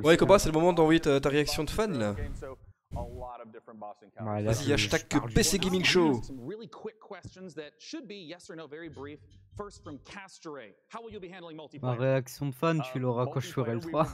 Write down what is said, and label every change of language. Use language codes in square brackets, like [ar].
[fr] Ouais, Cobra, c'est le moment d'envoyer ta réaction de fan là. Vas-y, hashtag PC Gaming Show. [en] Some really quick questions that should be yes or no, very brief. First from Castore. How will you be handling multiplayer? [fr] Ma réaction de fan, tu l'auras quand je ferai le 3.